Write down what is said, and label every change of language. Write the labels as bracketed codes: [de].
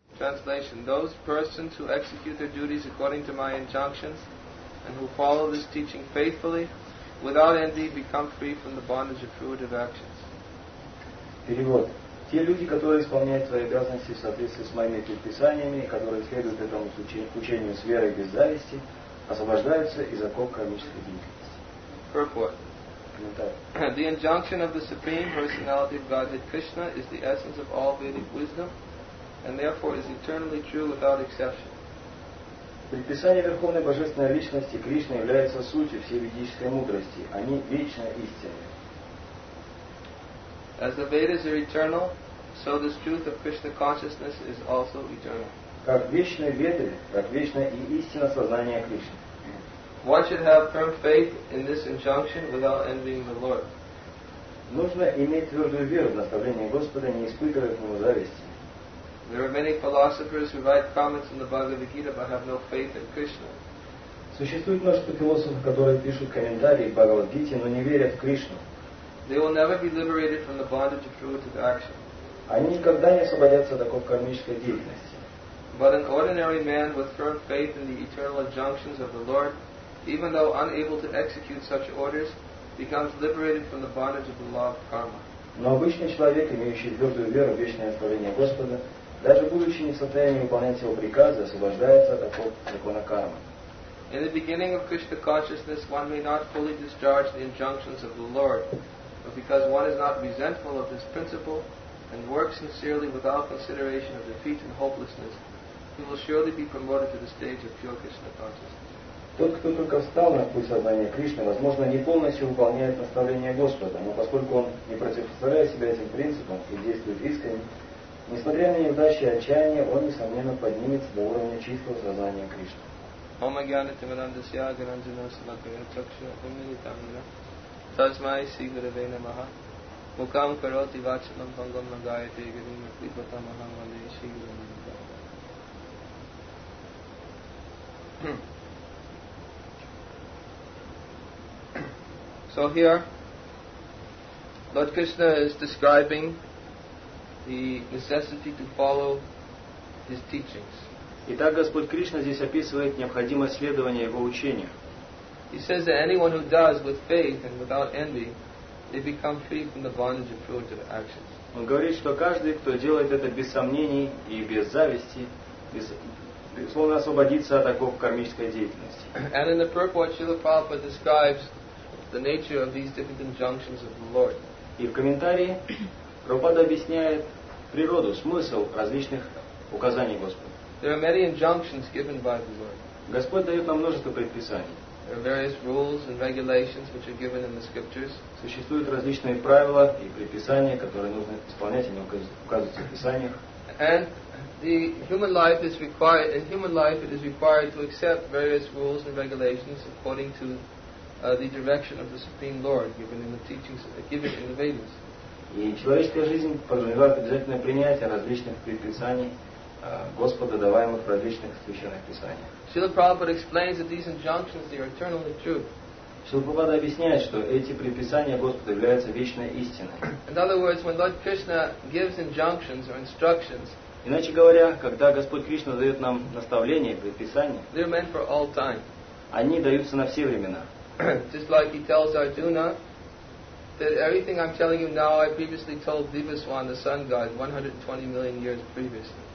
[en] translation, those persons who execute their duties according to my injunctions and who follow this teaching faithfully, without envy, become free from the bondage of fruitive actions. [ru] Перевод. Те люди, которые исполняют свои обязанности в соответствии с моими предписаниями, которые следуют этому учению с верой без зависти, освобождаются из оков кармической деятельности. [en] Purport. The injunction of the Supreme Personality of Godhead Krishna is the essence of all Vedic wisdom and therefore is eternally true without exception. [ru] Предписания Верховной Божественной Личности Кришны являются сутью всей ведической мудрости. Они вечно истинны. [en] As the Vedas are eternal, so this truth of Krishna consciousness is also eternal. [ru] Как вечные Веды, так вечно и истина сознания Кришны. [en] One should have firm faith in this injunction without envying the Lord. [ru] Нужно иметь твердую веру в наставление Господа, не испытывая к нему зависти. [en] There are many philosophers who write comments in the Bhagavad Gita but have no faith in Krishna. [ru] Существует множество философов, которые пишут комментарии в Бхагавад Гите, но не верят в Кришну. [en] They will never be liberated from the bondage of fruitive action. [ru] Они никогда не освободятся от такой кармической деятельности. [en] But an ordinary man with firm faith in the eternal injunctions of the Lord, even though unable to execute such orders, becomes liberated from the bondage of the law of karma. [ru] Но обычный человек, имеющий твердую веру в вечное оставление Господа, даже будучи не в состоянии выполнять его приказы, освобождается от закона кармы. [en] In the beginning of Krishna consciousness, one may not fully discharge the injunctions of the Lord, but because one is not resentful of this principle and works sincerely without consideration of defeat and hopelessness, he will surely be promoted to the stage of pure Krishna consciousness. [ru] Тот, кто только встал на путь сознания Кришны, возможно, не полностью выполняет наставления Господа, но поскольку он не противопоставляет себя этим принципам и действует искренне, несмотря на неудачи и отчаяние, он, несомненно, поднимется до уровня чистого сознания Кришны. [sa] Ом агьяна тимирандасья агаранджана самакрина чакшу умили тамина тасмай си гуравей намаха мукам кароти вачалам пангам нагайте гирима клипата махам вале си гуравей намаха. [en] So here, Lord Krishna is describing the necessity to follow his teachings. [ru] Итак, Господь Кришна здесь описывает необходимость следования его учению. [en] He says that anyone who does with faith and without envy, they become free from the bondage of fruitive actions. [ru] Он говорит, что каждый, кто делает это без сомнений и без зависти, безусловно освободится от оков кармической деятельности. [en] And in the purport, Srila Prabhupada describes the nature of these different injunctions of the Lord. [ru] И в комментарии Прабхупада объясняет природу, смысл различных указаний Господа. [en] There are many injunctions given by the Lord. [ru] Господь дает нам множество предписаний. [en] There are various rules and regulations which are given in the scriptures. [ru] Существуют различные правила и предписания, которые нужно исполнять, они указываются в писаниях. [en] And the human life is required. In human life, it is required to accept various rules and regulations according to the direction of the Supreme Lord given in the teachings given in the Vedas. [ru] И человеческая жизнь подразумевает обязательное принятие различных предписаний Господа, даваемых в различных священных писаниях. [en] Srila Prabhupada explains that these injunctions are eternally true. [ru] Srila Prabhupada объясняет, что эти предписания Господа являются вечной истиной. [en] In other words, when Lord Krishna gives injunctions or instructions, [ru] иначе говоря, когда Господь Кришна дает нам наставления, предписания, [en] they are meant for all time. [ru] Они даются на все времена. [en] Just like he tells Arjuna that everything I'm telling you now I previously told Vibhiswan, the sun god, 120 million years previously.